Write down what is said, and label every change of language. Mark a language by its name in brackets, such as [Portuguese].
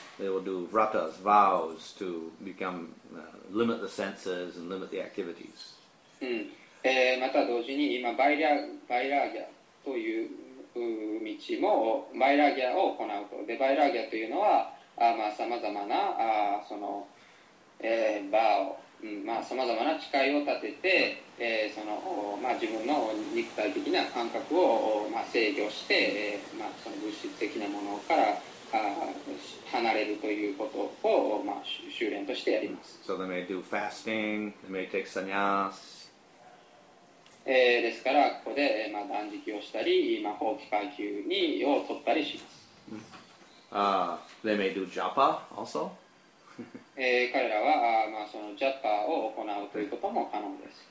[English] They will do vratas, vows to become, limit the senses and limit the activities. [Japanese] また同時に今バイラギャという道もバイラギャを行うと。で、バイラギャというのはまあ、様々なそのバーを、まあ、さまざまな誓いを立てて、その、まあ、自分の肉体的な感覚を、まあ、制御して、まあ、その物質的なものから離れるということを、まあ、修練としてやります。 [English] So they may do fasting, they may take sannyas. [Japanese] ですから、ここで、まあ、断食をしたり、まあ、法規戒求にを取ったりします。 [English] They may do japa also. [Japanese] 彼らは、まあ、そのジャッパを行うということも可能です。